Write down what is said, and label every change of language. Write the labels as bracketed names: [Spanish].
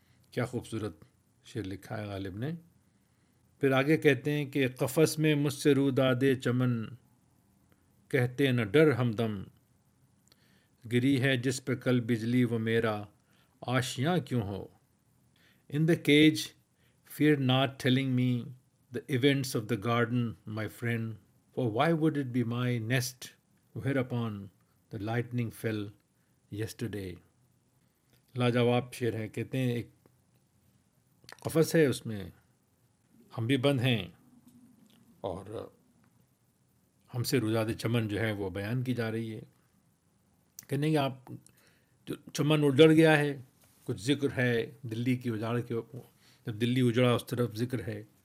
[Urdu] کیا خوبصورت شعر لکھا ہے غالب نے. پھر آگے کہتے ہیں کہ قفس میں مجھ سے رو دادے چمن، کہتے نہ ڈر ہم دم، گری ہے جس پہ کل بجلی وہ میرا آشیاں کیوں ہو. [English] In the cage fear not telling me the events of the garden my friend, for why would it be my nest where upon the lightning fell yesterday. [Urdu] لاجواب شعر ہے. کہتے ہیں ایک قفس ہے، اس میں ہم بھی بند ہیں، اور ہم سے روزاد چمن جو ہے وہ بیان کی جا رہی ہے. کہنے کہ آپ جو چمن اجڑ گیا ہے، کچھ ذکر ہے دلی کی اجاڑ کے، جب دلی اجڑا اس طرف ذکر ہے.